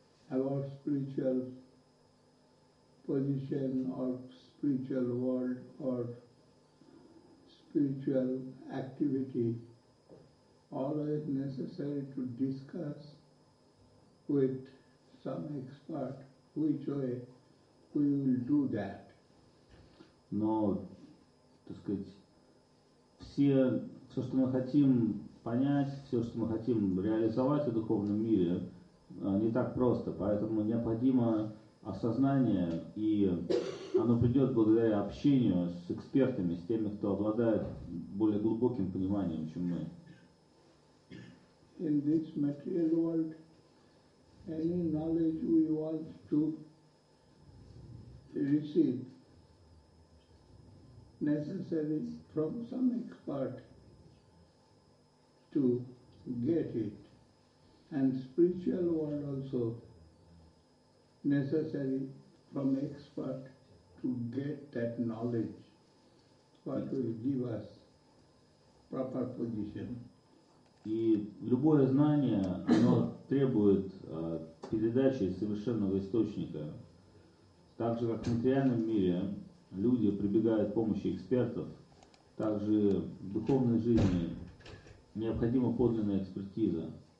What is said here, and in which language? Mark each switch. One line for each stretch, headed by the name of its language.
English: Our spiritual position or spiritual world or spiritual activity always necessary to discuss with some expert which way we will do that.
Russian: Но, так сказать, все, что мы хотим понять, все, что мы хотим реализовать в духовном мире, не так просто, поэтому необходимо осознание, и оно придет благодаря общению с экспертами, с теми, кто обладает более глубоким пониманием, чем мы.
English: In this material world, any knowledge we want to receive necessary from some expert to get it. And spiritual world also necessary from expert to get that knowledge what will give us proper position.
Russian: И любое знание, оно требует передачи из совершенного источника. Так же, как в материальном мире люди прибегают к помощи экспертов, так же в духовной жизни необходима подлинная экспертиза.